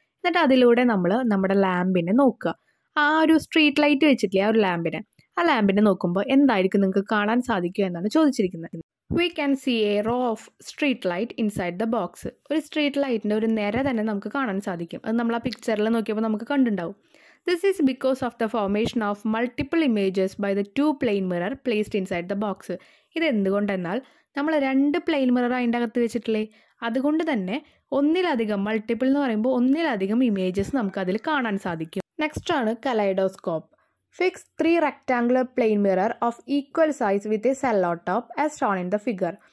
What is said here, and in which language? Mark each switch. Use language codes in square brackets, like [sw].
[ml] എന്നിട്ട് അതിലൂടെ നമ്മൾ നമ്മുടെ ലാമ്പിനെ നോക്കുക. ആ ഒരു സ്ട്രീറ്റ് ലൈറ്റ് വെച്ചിട്ടില്ല, ആ ഒരു ലാമ്പിനെ. ആ ലാമ്പിനെ നോക്കുമ്പോൾ എന്തായിരിക്കും നിങ്ങൾക്ക് കാണാൻ സാധിക്കുക എന്നാണ് ചോദിച്ചിരിക്കുന്നത്. [en] We can see a row of street light inside the box. [ml] ഒരു സ്ട്രീറ്റ് ലൈറ്റിൻ്റെ ഒരു നിര തന്നെ നമുക്ക് കാണാൻ സാധിക്കും. അത് നമ്മൾ ആ പിക്ചറിൽ നോക്കിയപ്പോൾ നമുക്ക് കണ്ടുണ്ടാവും. [en] This is because of the formation of multiple images by the two plane mirror placed inside the box. [ml] ഇത് എന്തുകൊണ്ടെന്നാൽ നമ്മൾ രണ്ട് പ്ലെയിൻ മിറർ അതിൻ്റെ അകത്ത് വെച്ചിട്ടില്ലേ, അതുകൊണ്ട് തന്നെ ഒന്നിലധികം മൾട്ടിപ്പിൾ എന്ന് പറയുമ്പോൾ ഒന്നിലധികം ഇമേജസ് നമുക്കതിൽ കാണാൻ സാധിക്കും. [en] Next ആണ് kaleidoscope. Fix three rectangular plane mirror of equal size with a sellotape as shown in the figure.